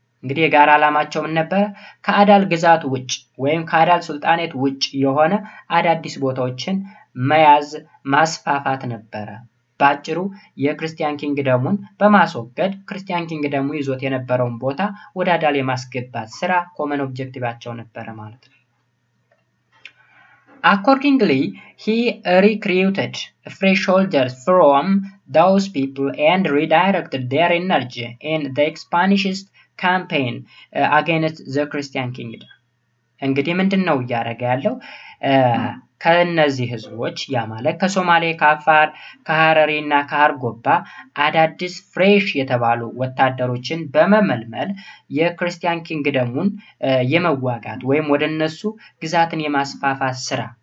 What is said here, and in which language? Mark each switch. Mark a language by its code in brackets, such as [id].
[am] እንግዲህ የጋራ ዓላማቸው ምን ነበር? ከአዳል ግዛት ውጭ ወይም ከአዳል ሱልጣኔት ውጭ የሆነ አዳዲስ ቦታዎችን መያዝ ማስፋፋት ነበረ። ባጭሩ የክርስቲያን ኪንግደሙን በማስወገድ ክርስቲያን ኪንግደሙ ይዞት የነበረውን ቦታ ወደ አዳል የማስገባት ስራ ኮመን ኦብጀክቲቫቸው ነበረ ማለት ነው። [en] Accordingly, he recruited fresh soldiers from those people and redirected their energy in the expansionist campaign against the Christian kingdom. [am] እንግዲህ ምንድነው ያረጋ ያለው ከነዚህ ህዝቦች ያማለከ ከሶማሌ ካፋር ከሐረሪና ከሐርጎባ አዳዲስ ፍሬሽ የተባሉ ወታደሮችን በመመልመል የክርስቲያን ኪንግደሙን የመዋጋት ወይም ወደነሱ ግዛትን የማስፋፋት ስራ